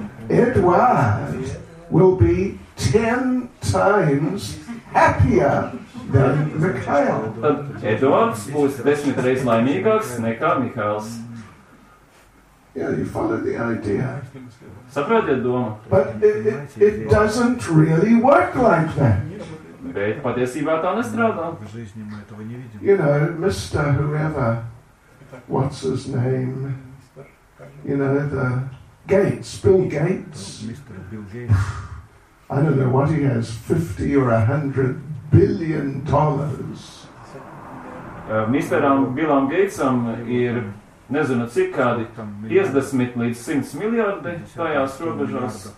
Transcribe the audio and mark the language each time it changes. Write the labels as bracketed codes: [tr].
[en] Edvard will be 10 times happier than Mikhail. [lv] Edvards būs 10 reizes laimīgāks nekā Mihails. [en] Yeah, you follow the idea. [lv] Saprotiet domu. [en] But it doesn't really work like that. [lv] Bet patiesībā tā nestrādā. [en] You know, Mr. Whoever, what's his name? You know, the Gates, Bill Gates. Mr. Bill Gates. I don't know what he has, 50 or 100 billion dollars. Mr. [lv] Billam Gatesam ir nezinu cik kādi 50 līdz 100 miljardi tajās robežās.